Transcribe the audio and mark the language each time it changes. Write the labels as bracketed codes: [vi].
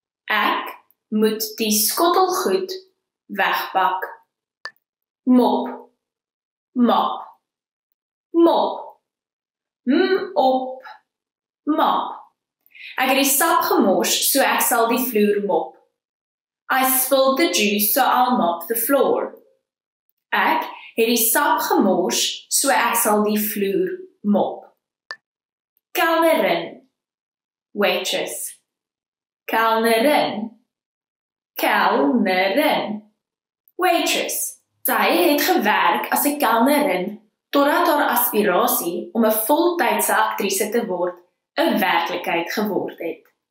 [af] Ek moet die skottelgoed wegpak. Mop. Mop. Mop. M-op. Mop. Ek het die sap gemors, so ek sal die vloer mop. [en] I spilled the juice, so I'll mop the floor. [af] Ek het die sap gemors, so ek sal die vloer mop. Kelnerin. Waitress. Kelnerin. Kelnerin. Waitress. Sy het gewerk as 'n kelnerin totdat haar aspirasie om 'n voltydse aktrise te word 'n werklikheid geword het.